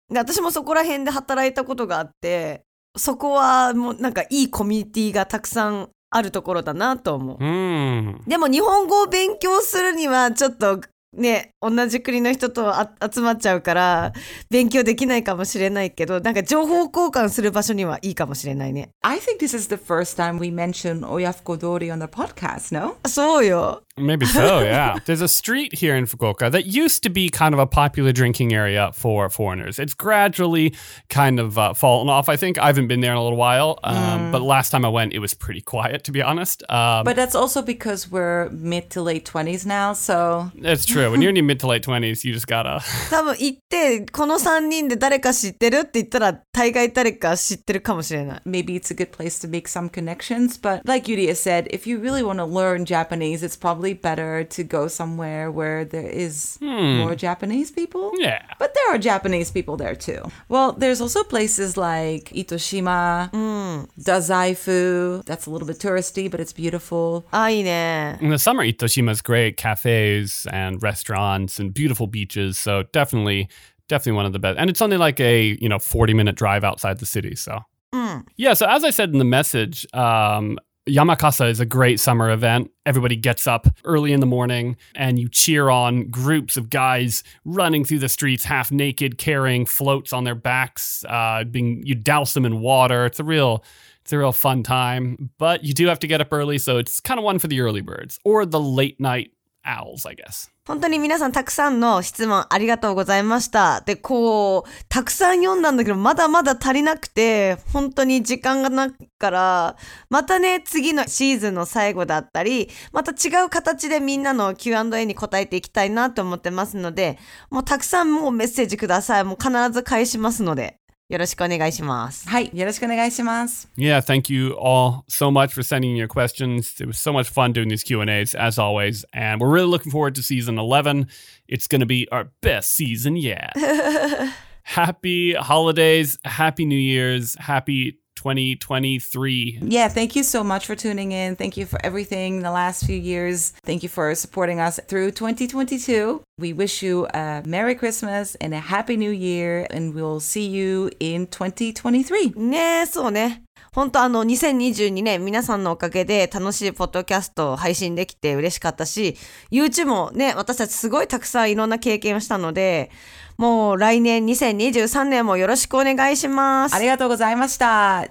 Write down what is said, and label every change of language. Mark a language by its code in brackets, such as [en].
[ja] で私もそこら辺で働いたことがあって、そこはもうなんかいいコミュニティがたくさんあるところだなと思う。うん、でも日本語を勉強するにはちょっと。ね、同じ国の人と集まっちゃうから勉強できないかもしれないけど、なんか情報交換する場所にはいいかもしれないね。 [en] I think this is the first time we mention Oyafuko Dori on the podcast, no? [ja] そうよ。 [en] Maybe so, yeah. There's a street here in Fukuoka that used to be kind of a popular drinking area for foreigners. It's gradually kind of fallen off, I think. I haven't been there in a little while, but last time I went, it was pretty quiet, to be honest. But that's also because we're mid to late 20s now, so... It's true. When you're in your mid to late 20s, you just gotta... [ja] 多分行って、この3人で誰か知ってるって言ったら、大概誰か知ってるかもしれない。 [en] Maybe it's a good place to make some connections, but like Yurie said, if you really want to learn Japanese, it's probably better to go somewhere where there is more Japanese people. Yeah. But there are Japanese people there too. Well, there's also places like Itoshima, Dazaifu. That's a little bit touristy, but it's beautiful. Ah, [ja] いいね。 [en] In the summer, Itoshima's great. Cafes and restaurants and beautiful beaches. So definitely, definitely one of the best. And it's only like a, you know, 40-minute drive outside the city. So yeah, so as I said in the message, Yamakasa is a great summer event. Everybody gets up early in the morning and you cheer on groups of guys running through the streets, half naked, carrying floats on their backs. You douse them in water. It's a real fun time. But you do have to get up early, so it's kind of one for the early birds or the late night owls, I guess. [ja] 本当に皆さんたくさんの質問ありがとうございました。で、こう、たくさん読んだんだけど、まだまだ足りなくて、本当に時間がなくから、またね、次のシーズンの最後だったり、また違う形でみんなの Q&A に答えていきたいなと思ってますので、もうたくさんもうメッセージください。もう必ず返しますので。よろしくお願いします。はい、よろしくお願いします。 [en] Yeah, thank you all so much for sending your questions. It was so much fun doing these Q&As, as always. And we're really looking forward to season 11. It's going to be our best season yet. Happy holidays, happy New Year's, happy 2023. Yeah, thank you so much for tuning in. Thank you for everything in the last few years. Thank you for supporting us through 2022. We wish you a Merry Christmas and a Happy New Year, and we'll see you in 2023. [ja] ねえ、そうね。本当、あの、2022年、皆さんのおかげで楽しいポッドキャストを配信できて嬉しかったし、YouTube もね、私たちすごいたくさんいろんな経験をしたので、もう来年、2023年もよろしくお願いします。ありがとうございました。